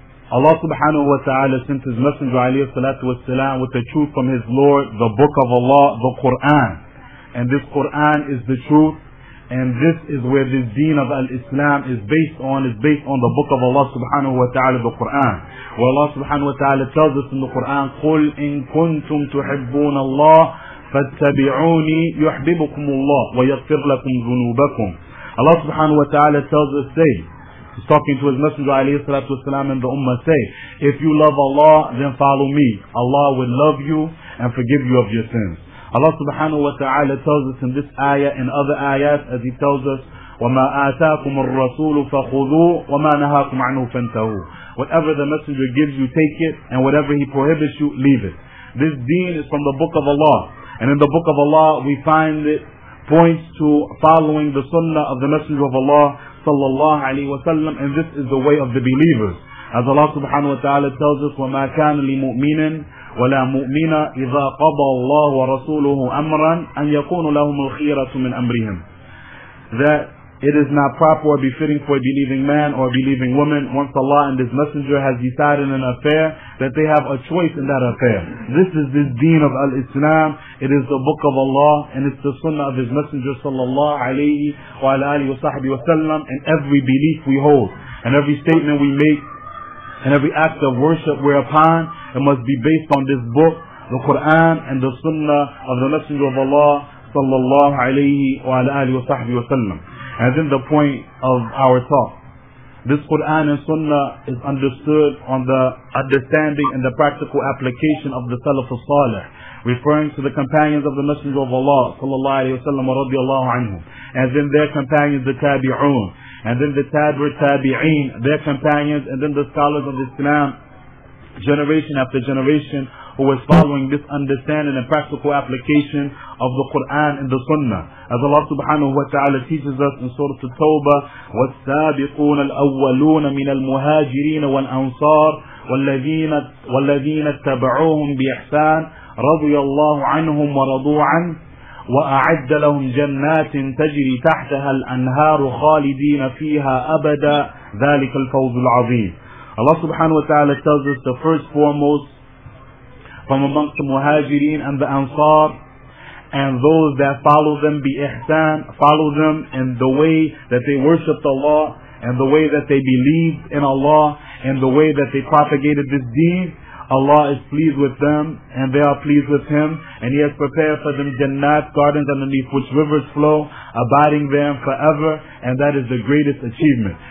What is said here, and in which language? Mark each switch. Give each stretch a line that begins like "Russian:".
English: Allah subhanahu wa ta'ala sent his messenger alayhi salatu wa sallam with the truth from his Lord, the book of Allah, the Quran. And this Quran is the truth, and this is where this deen of al-Islam is based on. It's based on the book of Allah subhanahu wa ta'ala, the Quran. Where Allah subhanahu wa ta'ala tells us in the Quran,
Arabic: قُلْ إِن كُنْتُمْ تُحِبُّونَ اللَّهِ فَاتَّبِعُونِي يُحْبِبُكُمُ اللَّهِ وَيَغْفِرْ لَكُمْ ذُنُوبَكُمْ.
English: Allah subhanahu wa ta'ala tells us, say, he's talking to his messenger alayhi salatu wasalam and the ummah, say, if you love Allah, then follow me. Allah will love you and forgive you of your sins. Allah subhanahu wa ta'ala tells us in this ayah and other ayahs, as he tells us,
Arabic: وَمَا آتَاكُمُ الرَّسُولُ فَخُذُوهُ وَمَا نَهَاكُمْ عَنُهُ فَانْتَهُوا.
English: Whatever the messenger gives you, take it, and whatever he prohibits you, leave it. This deen is from the book of Allah. And in the book of Allah, we find it points to following the sunnah of the messenger of Allah, sallallahu alayhi wa sallam, and this is the way of the believers. As Allah subhanahu wa ta'ala tells us,
Arabic: وَمَا كَانَ لِمُؤْمِنٍ ولا مؤمن إذا قضى الله ورسوله أمرا أن يكون لهم الخيرة من أمرهم.
English: That it is not proper or befitting for a believing man or a believing woman, once Allah and His Messenger has decided an affair, that they have a choice in that affair. This is this deen of al-Islam. It is the book of Allah, and it's the sunnah of His Messenger sallallahu alayhi wa alayhi wa sahbihi wa sallam. And every belief we hold and every statement we make and every act of worship whereupon, it must be based on this book, the Quran, and the Sunnah of the Messenger of Allah, sallallahu alayhi wa alayhi wa sahbihi wa sallam. And then the point of our talk. This Quran and Sunnah is understood on the understanding and the practical application of the Salaf al-Salih, referring to the companions of the Messenger of Allah, sallallahu alayhi wa sallam, wa radiallahu anhum. And then their companions, the Tabi'un. And then the Tabi'een, their companions, and then the scholars of Islam, generation after generation, who was following this understanding and practical application of the Quran and the Sunnah. As Allah subhanahu wa ta'ala teaches us in Surah At-Tawbah,
Arabic: وَالسَّابِقُونَ الْأَوَّلُونَ مِنَ الْمُهَاجِرِينَ وَالْأَنصَارِ وَالَّذِينَ اتَّبَعُوهُمْ بِإِحْسَانٍ رَضِيَ اللَّهُ عَنْهُمْ وَرَضُوا عَنْهُ وَأَعَدَّ لَهُمْ جَنَّاتٍ تَجْرِي تَحْتَهَا الْأَنْهَارُ خَالِدِينَ فِيهَا أَبَدًا ذَلِكَ الْفَوْزُ الْعَظِيمُ.
English: Allah subhanahu wa ta'ala tells us the first foremost from amongst the muhajirin and the ansar and those that follow them bi ihsan, follow them in the way that they worshiped Allah and the way that they believed in Allah and the way that they propagated this deen, Allah is pleased with them and they are pleased with Him, and He has prepared for them jannat, gardens underneath which rivers flow, abiding there forever, and that is the greatest achievement.